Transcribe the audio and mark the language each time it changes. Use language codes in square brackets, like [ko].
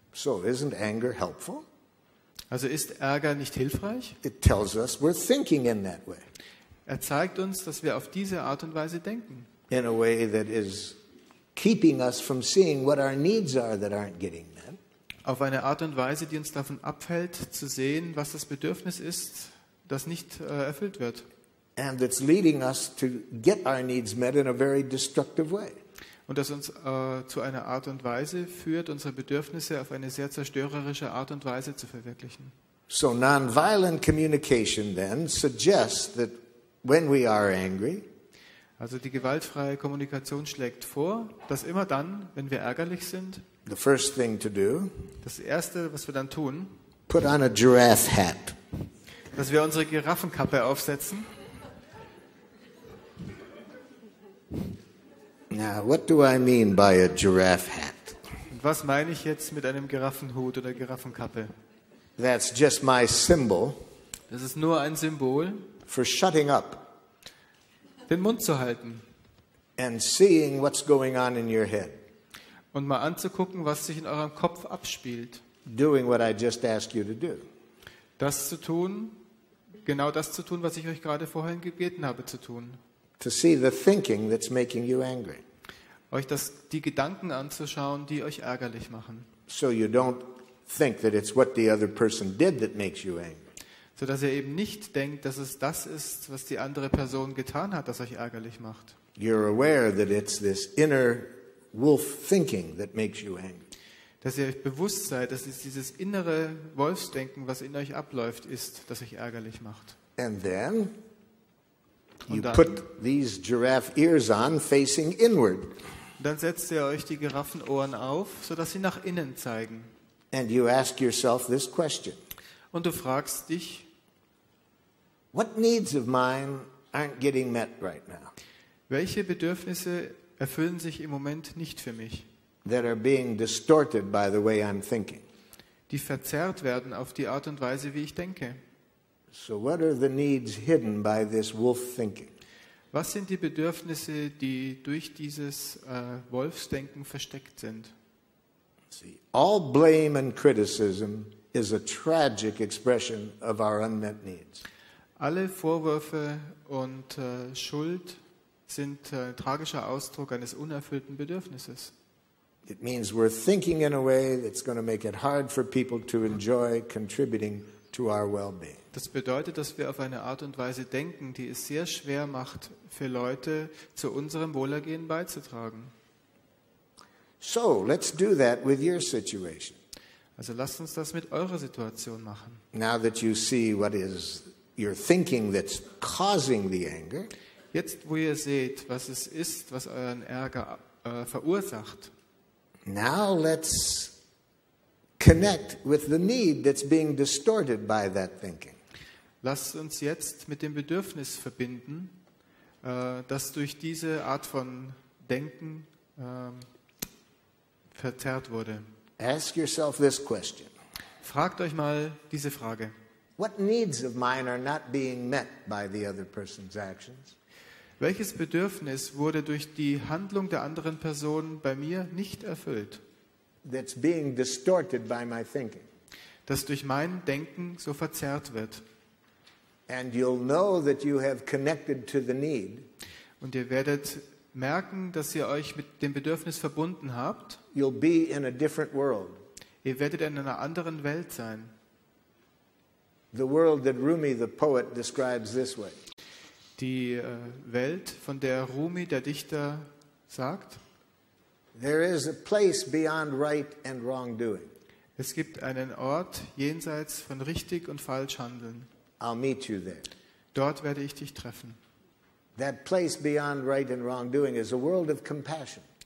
[en] So isn't anger helpful? [de] Also ist Ärger nicht hilfreich? [en] It tells us we're thinking in that way. [de] Er zeigt uns, dass wir auf diese Art und Weise denken. [en] In a way that is keeping us from seeing what our needs are that aren't getting met. [de] Auf eine Art und Weise, die uns davon abhält, zu sehen, was das Bedürfnis ist, das nicht erfüllt wird. [en] And it's leading us to get our needs met in a very destructive way. [de] Und das uns zu einer Art und Weise führt, unsere Bedürfnisse auf eine sehr zerstörerische Art und Weise zu verwirklichen. [en] So nonviolent communication then suggests that when we are angry. [de] Also die gewaltfreie Kommunikation schlägt vor, dass immer dann, wenn wir ärgerlich sind, [en] the first thing to do, [de] das Erste, was wir dann tun, [en] put on a giraffe hat. [de] Dass wir unsere Giraffenkappe aufsetzen. [en] Now, what do I mean by a giraffe hat? [de] Und was meine ich jetzt mit einem Giraffenhut oder Giraffenkappe? [en] That's just my symbol. [de] Das ist nur ein Symbol. [en] For shutting up. [de] Den Mund zu halten. [en] And seeing what's going on in your head. [de] Und mal anzugucken, was sich in eurem Kopf abspielt. [en] Doing what I just asked you to do. [de] Das zu tun, genau das zu tun, was ich euch gerade vorhin gebeten habe zu tun. [en] To see the thinking that's making you angry. [de] Euch das, die Gedanken anzuschauen, die euch ärgerlich machen. [en] So you don't think that it's what the other person did that makes you angry. [de] So dass ihr eben nicht denkt, dass es das ist, was die andere Person getan hat, das euch ärgerlich macht. [en] You're aware that it's this inner wolf thinking that makes you angry. [de] Dass ihr euch bewusst seid, dass es dieses innere Wolfsdenken, was in euch abläuft, ist, das euch ärgerlich macht. [en] And then you put these giraffe ears on facing inward. [de] Dann setzt ihr euch die Giraffenohren auf, so dass sie nach innen zeigen. [en] And you ask yourself this question. [de] Und du fragst dich, [en] what needs of mine aren't getting met right now? [de] Welche Bedürfnisse erfüllen sich im Moment nicht für mich? [en] That are being distorted by the way I'm thinking. [de] Die verzerrt werden auf die Art und Weise, wie ich denke. [en] So what are the needs hidden by this wolf thinking? [de] Was sind die Bedürfnisse, die durch dieses Wolfsdenken versteckt sind? [en] See, all blame and criticism is a tragic expression of our unmet needs. [de] Alle Vorwürfe und Schuld sind ein tragischer Ausdruck eines unerfüllten Bedürfnisses. [en] It means we're thinking in a way that's going to make it hard for people to enjoy contributing to our well-being. [de] Das bedeutet, dass wir auf eine Art und Weise denken, die es sehr schwer macht, für Leute zu unserem Wohlergehen beizutragen. [en] So, let's do that with your situation. [de] Also lasst uns das mit eurer Situation machen. [en] Now that you see what is your thinking that's causing the anger. [de] Jetzt, wo ihr seht, was es ist, was euren Ärger verursacht. [en] Now let's connect with the need that's being distorted by that thinking. [de] Lasst uns jetzt mit dem Bedürfnis verbinden, das durch diese Art von Denken verzerrt wurde. [en] Ask yourself this question. [de] Fragt euch mal diese Frage. [en] What needs of mine are not being met by the other person's actions? [de] Welches Bedürfnis wurde durch die Handlung der anderen Person bei mir nicht erfüllt? [en] That's being distorted by my thinking. [de] Das durch mein Denken so verzerrt wird. [en] And you'll know that you have connected to the need. [de] Und ihr werdet merken, dass ihr euch mit dem Bedürfnis verbunden habt. [en] You'll be in a different world. [de] Ihr werdet in einer anderen Welt sein. [en] The world that Rumi, the poet, describes this way. [de] Die Welt, von der Rumi, der Dichter, sagt, [en] there is a place beyond right and wrongdoing. [de] Es gibt einen Ort jenseits von richtig und falsch handeln. [en] I'll meet you there. [de] Dort werde ich dich treffen. [en] That place beyond right and wrongdoing is a world of compassion.